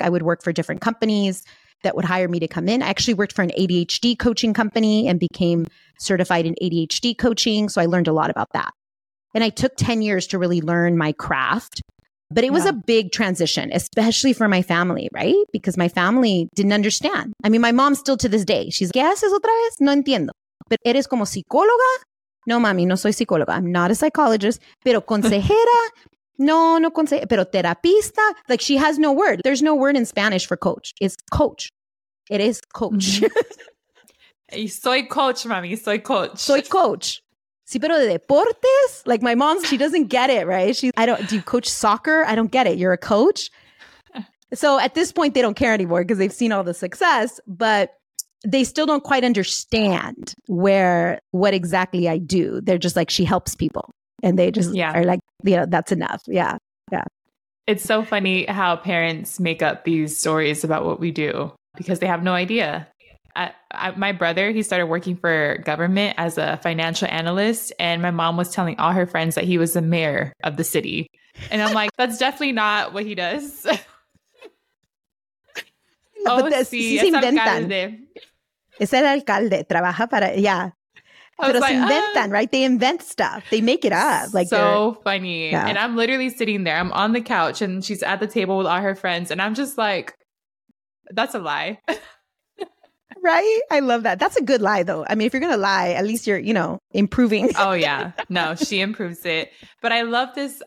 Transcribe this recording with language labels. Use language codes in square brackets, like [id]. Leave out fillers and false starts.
[en] I would work for different companies that would hire me to come in. I actually worked for an ADHD coaching company and became certified in ADHD coaching. So I learned a lot about that. And I took 10 years to really learn my craft. But it was a big transition, especially for my family, right? Because my family didn't understand. I mean, my mom still to this day, she's like, [es] ¿Qué haces otra vez? No entiendo. ¿Pero eres como psicóloga? No, mami, no soy psicóloga. [en] I'm not a psychologist. [es] ¿Pero consejera? No consejera. ¿Pero terapista? [en] Like, she has no word. There's no word in Spanish for coach. It's coach. It is coach. [es] Soy coach, mami. Soy coach. Soy coach. Sí, pero de deportes? [en] Like my mom, she doesn't get it, right? Do you coach soccer? I don't get it. You're a coach? So at this point, they don't care anymore because they've seen all the success, but they still don't quite understand what exactly I do. They're just like, she helps people. And they just are like, you know, that's enough. Yeah. Yeah. It's so funny how parents make up these stories about what we do because they have no idea. My brother, he started working for government as a financial analyst. And my mom was telling all her friends that he was the mayor of the city. And I'm like, that's definitely not what he does. [es] Oh, but sí, si inventan. Es el alcalde, trabaja para, yeah. Pero like, se inventan, [en] right? They invent stuff. They make it up. Like so funny. Yeah. And I'm literally sitting there. I'm on the couch and she's at the table with all her friends. And I'm just like, that's a lie. Right? I love that. That's a good lie, though. I mean, if you're going to lie, at least you're, you know, improving. Oh, yeah. No, she improves it. But I love this.